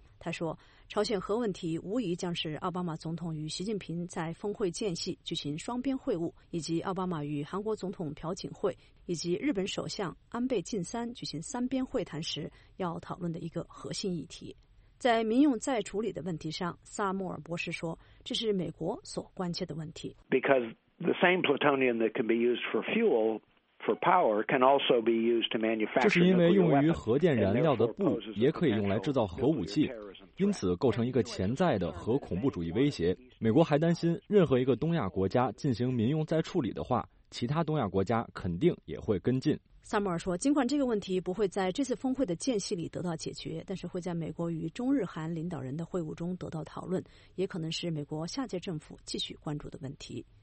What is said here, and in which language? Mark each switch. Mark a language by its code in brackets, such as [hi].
[zh] 他说，朝鲜核问题无疑将是奥巴马总统与习近平在峰会间隙举行双边会晤，以及奥巴马与韩国总统朴槿惠以及日本首相安倍晋三举行三边会谈时要讨论的一个核心议题。在民用再处理的问题上，萨默尔博士说，这是美国所关切的问题。 [en] Because the same plutonium that can be used for fuel for power can also be used to manufacture. [zh] 这是因为用于核电燃料的钚也可以用来制造核武器，因此构成一个潜在的核恐怖主义威胁。美国还担心，任何一个东亚国家进行民用再处理的话，其他东亚国家肯定也会跟进。萨默尔说，尽管这个问题不会在这次峰会的间隙里得到解决，但是会在美国与中日韩领导人的会晤中得到讨论，也可能是美国下届政府继续关注的问题。